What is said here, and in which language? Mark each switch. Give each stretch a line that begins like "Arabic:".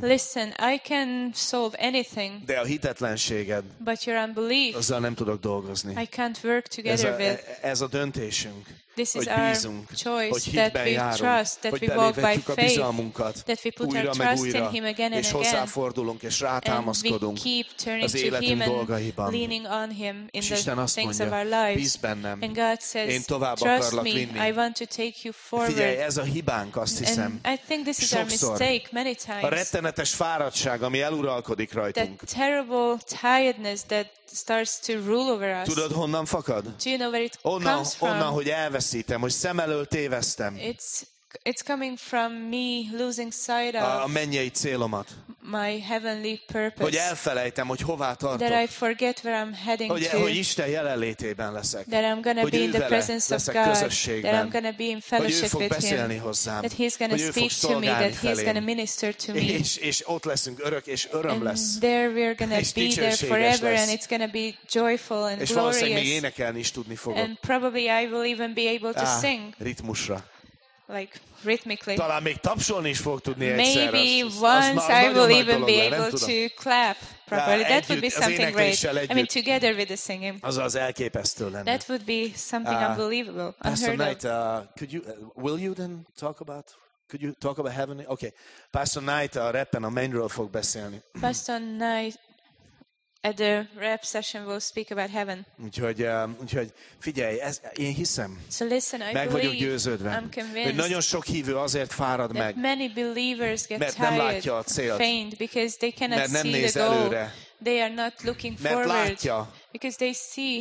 English: Listen, I can solve anything.
Hungarian: De a hitetlenséged,
English: but your unbelief,
Hungarian: azzal nem tudok dolgozni.
English: I can't work together with.
Hungarian: Ez a döntésünk.
English: This is
Hungarian: hogy
English: our
Hungarian: bízunk,
English: choice
Hungarian: hogy
English: that we
Hungarian: járunk,
English: trust, that
Hungarian: hogy
English: we walk by faith, that we put our trust
Hungarian: újra,
English: in Him again and again,
Hungarian: és hozzáfordulunk, és rátámaszkodunk
English: and we keep turning to Him and leaning on Him in the things
Hungarian: mondja,
English: of our lives.
Hungarian: Bennem,
English: and God says, trust me, I want to take you forward.
Hungarian: Figyelj, ez a hibánk, azt hiszem,
English: and I think this is our mistake many times.
Hungarian: A rettenetes fáradtság, ami eluralkodik rajtunk.
English: That terrible tiredness that starts to rule over us.
Hungarian: Tudod, honnan fakad?
English: Do you know where it comes from?
Hungarian: Onnan, hogy elveszítem, hogy szem elől tévesztem.
English: It's coming from me losing sight of
Hungarian: a mennyei célomat.
English: My heavenly purpose.
Hungarian: Hogy elfelejtem, hogy hová tartok.
English: That I forget where I'm heading
Hungarian: hogy,
English: to.
Hungarian: Hogy Isten jelenlétében leszek.
English: That I'm gonna
Hungarian: hogy
English: be in the presence of God. That I'm gonna be in fellowship with Him.
Hungarian: Hogy ő fog beszélni hozzám.
English: That He's gonna speak to me. That He's gonna minister to me.
Hungarian: És ott leszünk örök és öröm lesz.
English: And there we're gonna be there forever, and it's gonna be joyful and
Hungarian: és És valószínűleg még énekelni is tudni fogok.
English: And probably I will even be able to sing.
Hungarian: Ritmusra.
English: Like rhythmically.
Hungarian: Talán még tapsolni is fog tudni egyszer.
English: Maybe once I will even be able to clap properly. That would be something great. I mean, together with the singing.
Hungarian: Az az elképesztő lenne.
English: That would be something unbelievable. Pastor Knight, could you talk about heaven? Okay.
Hungarian: Pastor Knight a rappen a mainról fog beszélni.
English: Pastor Knight at the rap session will speak about heaven.
Hungarian: Úgyhogy figyelj, ez, én hiszem.
English: So listen, I
Hungarian: meg
English: believe,
Hungarian: vagyok győződve.
English: I'm convinced.
Hungarian: Nagyon sok hívő azért fárad meg.
English: Many believers get
Hungarian: mert
English: tired,
Hungarian: nem látja a célt.
English: Faint because they cannot
Hungarian: mert nem
English: see
Hungarian: néz
English: the goal.
Hungarian: Előre.
English: They are not looking
Hungarian: mert
English: forward.
Hungarian: Látja.
English: Because they see.